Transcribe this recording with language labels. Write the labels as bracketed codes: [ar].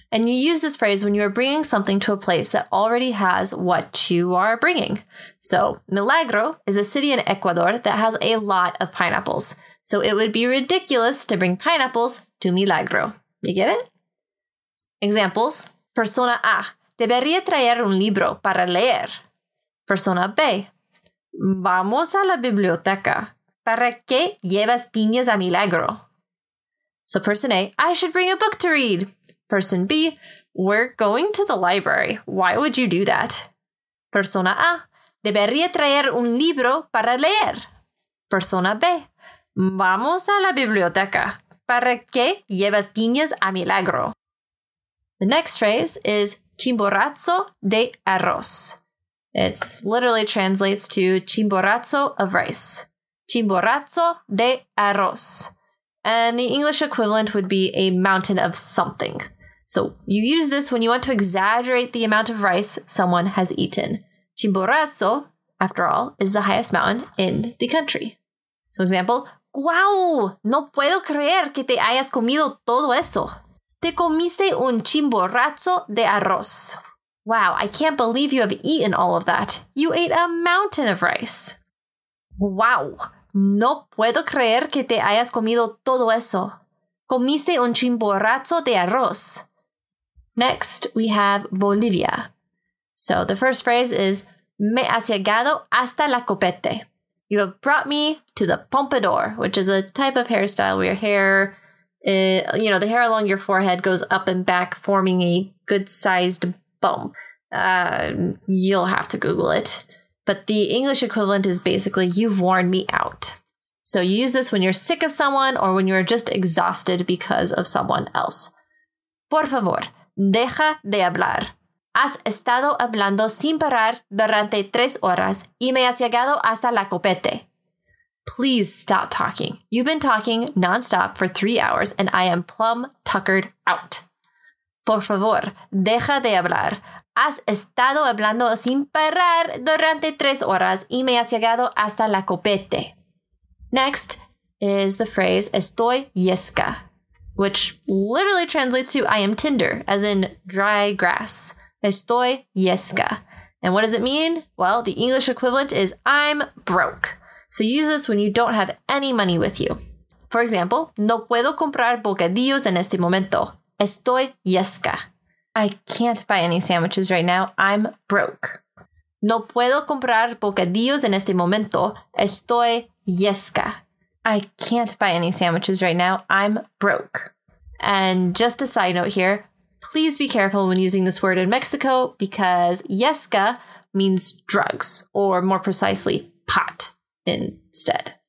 [en] And you use this phrase when you are bringing something to a place that already has what you are bringing. So Milagro is a city in Ecuador that has a lot of pineapples. So it would be ridiculous to bring pineapples to Milagro. You get it? Examples. Persona A. [es] Debería traer un libro para leer. Persona B. Vamos a la biblioteca. ¿Para qué llevas piñas a Milagro? [en] So person A, I should bring a book to read. Person B, we're going to the library. Why would you do that? [es] Persona A, debería traer un libro para leer. Persona B, vamos a la biblioteca. ¿Para qué llevas piñas a Milagro? [en] The next phrase is [es] chimborazo de arroz. [en] It literally translates to chimborazo of rice. [es] Chimborazo de arroz. [en] And the English equivalent would be a mountain of something. So you use this when you want to exaggerate the amount of rice someone has eaten. Chimborazo, after all, is the highest mountain in the country. So example, ¡guau! [es] No puedo creer que te hayas comido todo eso. Te comiste un chimborazo de arroz. [en] Wow, I can't believe you have eaten all of that. You ate a mountain of rice. [es] Wow, no puedo creer que te hayas comido todo eso. Comiste un chimborazo de arroz. [en] Next, we have Bolivia. So the first phrase is, [es] me has llegado hasta la copete. [en] You have brought me to the pompadour, which is a type of hairstyle where your hair, the hair along your forehead goes up and back, forming a good-sized bump. You'll have to Google it. But the English equivalent is basically, you've worn me out. So you use this when you're sick of someone or when you're just exhausted because of someone else. [es] Por favor, deja de hablar. Has estado hablando sin parar durante 3 horas y me has llegado hasta la copete. [en] Please stop talking. You've been talking nonstop for 3 hours and I am plumb tuckered out. [es] Por favor, deja de hablar. Has estado hablando sin parar durante 3 horas y me has llegado hasta la copete. [en] Next is the phrase, [es] estoy yesca, [en] which literally translates to I am tinder, as in dry grass. [es] Estoy yesca. [en] And what does it mean? Well, the English equivalent is I'm broke. So use this when you don't have any money with you. For example, [es] no puedo comprar bocadillos en este momento. Estoy yesca. [en] I can't buy any sandwiches right now. I'm broke. [es] No puedo comprar bocadillos en este momento. Estoy yesca. [en] I can't buy any sandwiches right now. I'm broke. And just a side note here, please be careful when using this word in Mexico because yesca means drugs, or more precisely, pot instead.